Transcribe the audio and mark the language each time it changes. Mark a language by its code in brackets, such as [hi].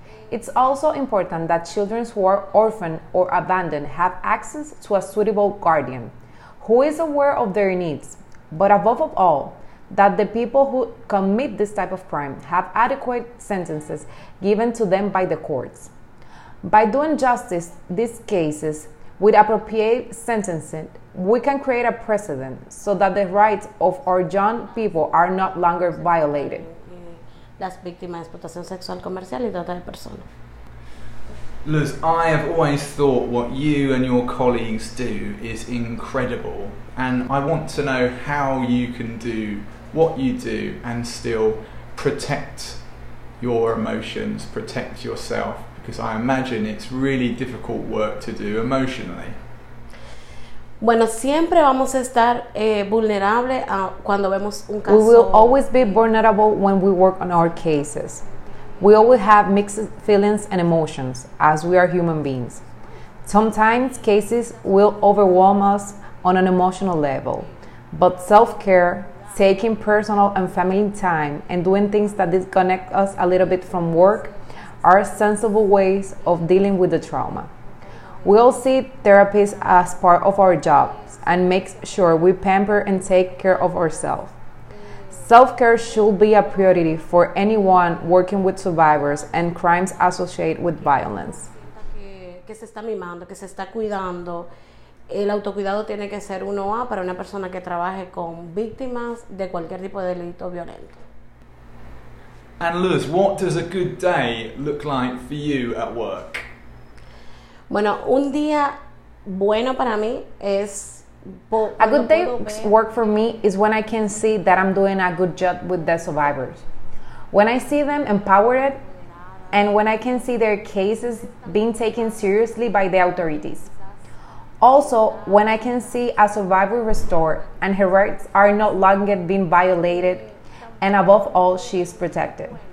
[en] It's also important that children who are orphaned or abandoned have access to a suitable guardian who is aware of their needs, but above all, that the people who commit this type of crime have adequate sentences given to them by the courts. By doing justice these cases with appropriate sentencing, we can create a precedent so that the rights of our young people are no longer violated. [es] Las víctimas de explotación sexual comercial y trata de personas. [en] Luz, I have always thought what you and your colleagues do is incredible, and I want to know how you can do what you do and still protect your emotions, protect yourself, because I imagine it's really difficult work to do emotionally. [es] Bueno, siempre vamos a estar vulnerable cuando vemos un caso. [en] We will always be vulnerable when we work on our cases. We always have mixed feelings and emotions, as we are human beings. Sometimes cases will overwhelm us on an emotional level, but self-care, taking personal and family time, and doing things that disconnect us a little bit from work are sensible ways of dealing with the trauma. We all see therapists as part of our jobs and make sure we pamper and take care of ourselves. Self-care should be a priority for anyone working with survivors and crimes associated with violence. [es] Que se está mimando, que se está cuidando. El autocuidado tiene que ser uno a para una persona que trabaje con víctimas de cualquier tipo de delito violento. [en] And Luz, what does a good day look like for you at work? [es] Bueno, un día bueno para mí es... [en] A good day work for me is when I can see that I'm doing a good job with the survivors. When I see them empowered and when I can see their cases being taken seriously by the authorities. Also, when I can see a survivor restored and her rights are no longer being violated and above all, she is protected.